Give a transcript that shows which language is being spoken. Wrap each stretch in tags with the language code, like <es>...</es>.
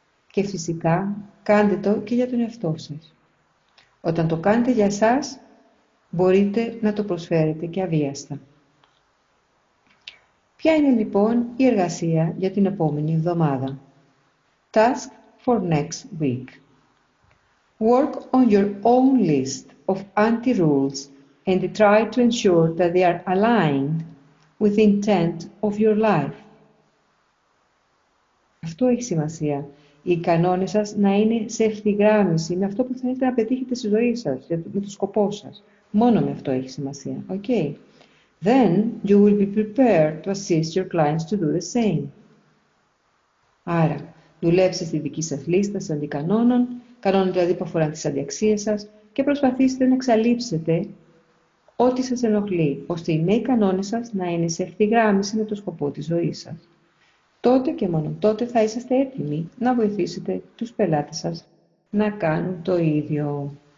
<el>Και φυσικά, κάντε το και για τον εαυτό σας. Όταν το κάνετε για εσάς, μπορείτε να το προσφέρετε και αβίαστα. Ποια είναι λοιπόν η εργασία για την επόμενη εβδομάδα?</el> <en>Task for next week. Work on your own list of anti-rules and try to ensure that they are aligned with the intent of your life.</en> <el>Αυτό έχει σημασία. Οι κανόνες σας να είναι σε ευθυγράμμιση με αυτό που θέλετε να πετύχετε στη ζωή σας, με το σκοπό σας. Μόνο με αυτό έχει σημασία.</el> <en>Okay. Then you will be prepared to assist your clients to do the same.</en> <el>Άρα, δουλέψτε στη δική σας λίστα σαν αντικανόνων, κανόνων δηλαδή που αφορά τις αντιαξίες σας και προσπαθήστε να εξαλείψετε ό,τι σας ενοχλεί, ώστε οι νέοι κανόνες σας να είναι σε ευθυγράμμιση με το σκοπό της ζωής σας. Τότε και μόνο τότε θα είσαστε έτοιμοι να βοηθήσετε τους πελάτες σας να κάνουν το ίδιο.</el>